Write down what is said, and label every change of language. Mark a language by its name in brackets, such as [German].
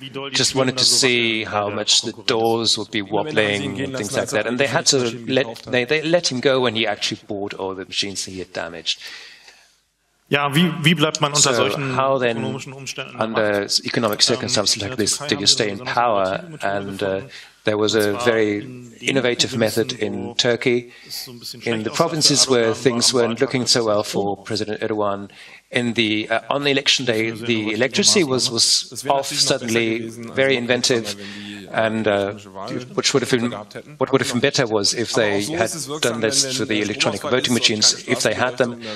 [English] Just wanted to see how much the doors would be wobbling and things like that. And they had to let him go when he actually bought all the machines that he had damaged. [German] Ja, wie bleibt man unter solchen ökonomischen Umständen? [English] Under economic circumstances like this, do you stay in power? And there was a very innovative method in Turkey. In the provinces where things weren't looking so well for President Erdogan, on the election day, the electricity was off suddenly, very inventive, and what would have been better was if they had done this for the electronic voting machines, if they had them.